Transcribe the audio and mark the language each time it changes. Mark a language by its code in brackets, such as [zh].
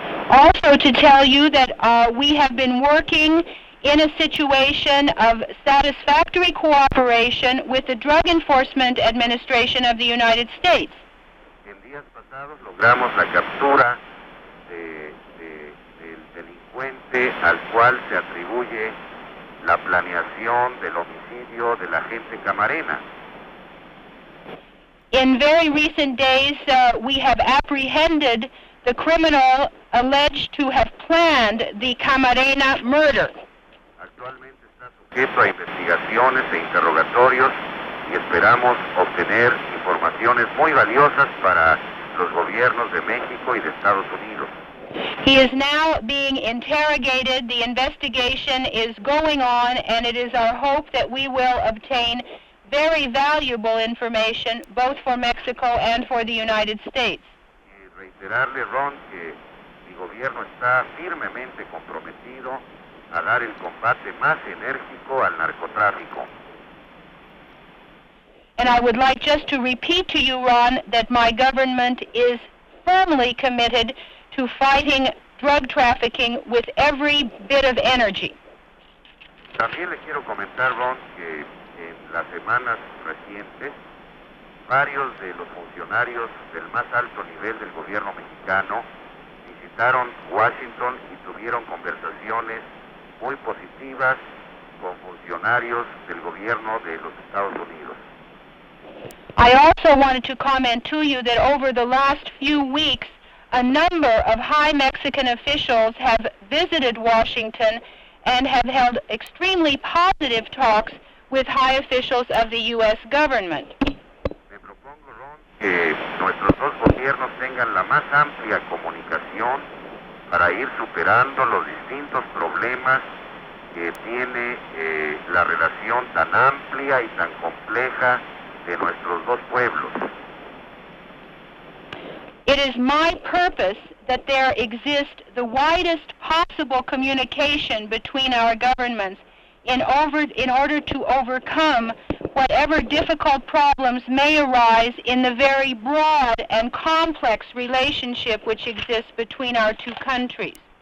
[en] Also to tell you that we have been working in a situation of satisfactory cooperation with the Drug Enforcement Administration of the United States. [es] En días pasados logramos la captura del delincuente al cual se atribuye la planeación del homicidio del agente Camarena. [en] In very recent days, we have apprehended the criminal alleged to have planned the Camarena murder. [es] Actualmente está sujeto a investigaciones e interrogatorios y esperamos obtener informaciones muy valiosas para los gobiernos de México y de Estados Unidos. [en] He is now being interrogated. The investigation is going on and it is our hope that we will obtain very valuable information both for Mexico and for the United States. [es] Y reiterarle, Ron, que mi gobierno está firmemente comprometido a dar el combate más enérgico al narcotráfico. [en] And I would like just to repeat to you, Ron, that my government is firmly committed to fighting drug trafficking with every bit of energy. [es] También le quiero comentar, Ron, que en las semanas recientes, varios de los funcionarios del más alto nivel del gobierno mexicano visitaron Washington y tuvieron conversaciones muy positivas con funcionarios del gobierno de los Estados Unidos. [en] I also wanted to comment to you that over the last few weeks, a number of high Mexican officials have visited Washington and have held extremely positive talks with high officials of the U.S. government. [es] Me propongo, Ron, que nuestros dos gobiernos tengan la más amplia comunicación para ir superando los distintos problemas que tiene la relación tan amplia y tan compleja de nuestros dos pueblos. [en] It is my purpose that there exist the widest possible communication between our governments in order to overcome whatever difficult problems may arise in the very broad and complex relationship which exists between our two countries.